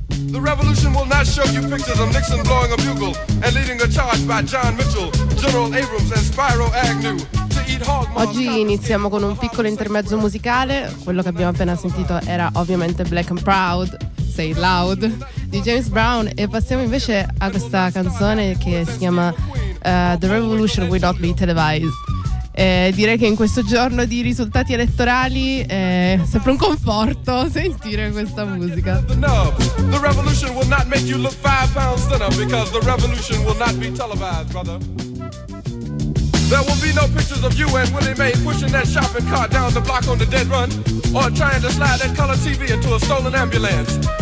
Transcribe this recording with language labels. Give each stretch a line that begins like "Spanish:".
English: The revolution will not show you pictures of Nixon blowing a bugle and leading a charge by John Mitchell, General Abrams and Spiro Agnew.
Italian: Oggi iniziamo con un piccolo intermezzo musicale. Quello che abbiamo appena sentito era ovviamente Black and Proud, Say It Loud, di James Brown. E passiamo invece a questa canzone che si chiama The Revolution Will Not Be Televised. Direi che in questo giorno di risultati elettorali è sempre un conforto sentire questa musica.
English: The revolution will not make you look 5 pounds thinner, because the revolution will not be televised, brother. There will be no pictures of you and Willie Mae pushing that shopping cart down the block on the dead run, or trying to slide that color TV into a stolen ambulance.